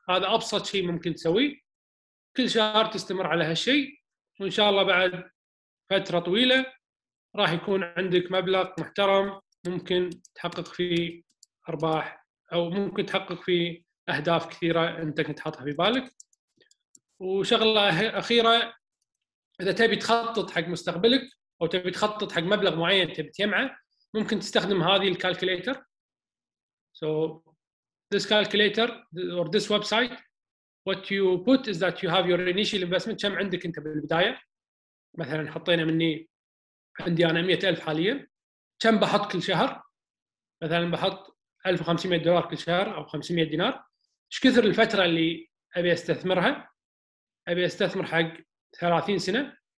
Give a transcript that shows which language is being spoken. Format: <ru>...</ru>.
<ar>هذا أبسط شيء ممكن تسويه، كل شهر تستمر على هالشيء، وإن شاء الله بعد فترة طويلة راح يكون عندك مبلغ محترم ممكن تحقق فيه أرباح أو ممكن تحقق فيه أهداف كثيرة أنت كنت حاطها في بالك. وشغلة أخيرة، إذا تبي تخطط حق مستقبلك أو تبي تخطط حق مبلغ معين تبي تجمعه، ممكن تستخدم هذه الكالكوليتر.</ar> <en>So this calculator or this website, what you put is that you have your initial investment.</en> <ar>كم عندك أنت بالبداية؟ مثلاً حطينا مني عندي أنا 100,000 حالياً. كم بحط كل شهر؟ مثلاً بحط 1500 دولار كل شهر أو 500 دينار. إيش كثر الفترة اللي أبي أستثمرها؟ أبي أستثمر حق 30 سنة.</ar>